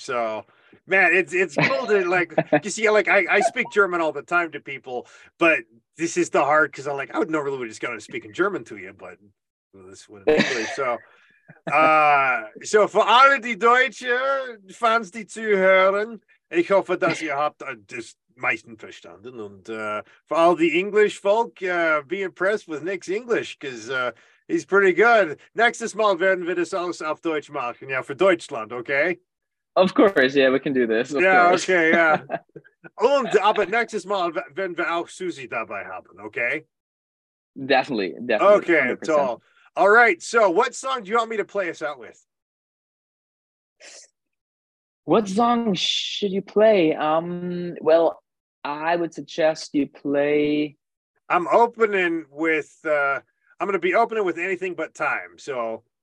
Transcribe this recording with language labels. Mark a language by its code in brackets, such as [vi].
[en] So, man, it's cool to like you see. Like, I speak German all the time to people, but this is the hard because I'm like, I would normally be just going to speak in German to you, but this wouldn't really. So for all the Deutsche fans, [de] die zuhören, ich hoffe, dass ihr habt das meisten verstanden. [en] And for all the English folk, be impressed with Nick's English because. He's pretty good. [de] Nächstes Mal werden wir das alles auf Deutsch machen. [en] Yeah, for Deutschland, okay? Of course, yeah, we can do this. Yeah, course. Okay, yeah. [de] Und aber nächstes Mal werden wir auch Susie dabei haben, okay? [en] Definitely, definitely. Okay, 100%. Toll. All right, so what song do you want me to play us out with? What song should you play? Well, I would suggest you play... I'm opening with... I'm going to be opening with Anything But Time, so.